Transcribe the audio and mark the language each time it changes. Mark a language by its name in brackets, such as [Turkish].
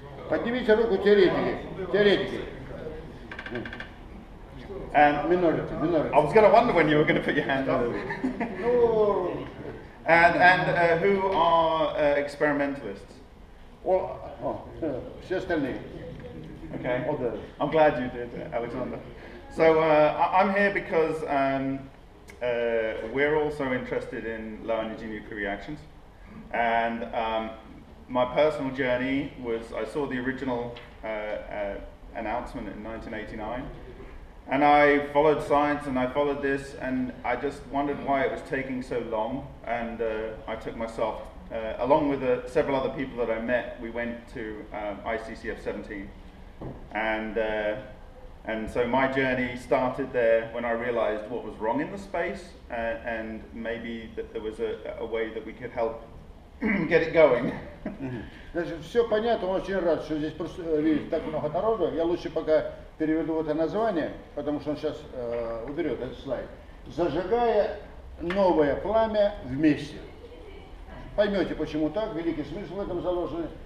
[Russian] Поднимите руку теоретики. [English] And minority. I was going to wonder when you were going to put your hand up. No. And who are experimentalists? [Russian] Well, все остальные. [English] Okay. I'm glad you did, Alexander. So I'm here because we're also interested in low energy nuclear reactions. And my personal journey was I saw the original announcement in 1989. And I followed science and I followed this and I just wondered why it was taking so long and I took myself, along with several other people that I met, we went to ICCF-17 and so my journey started there when I realized what was wrong in the space and maybe that there was a way that we could help get it going. [Russian] Значит, все понятно, он очень рад, что здесь просто видит так много народу. Я лучше пока переведу это название, потому что он сейчас уберет этот слайд. Зажигая новое пламя вместе. Поймете, почему так, великий смысл в этом заложен.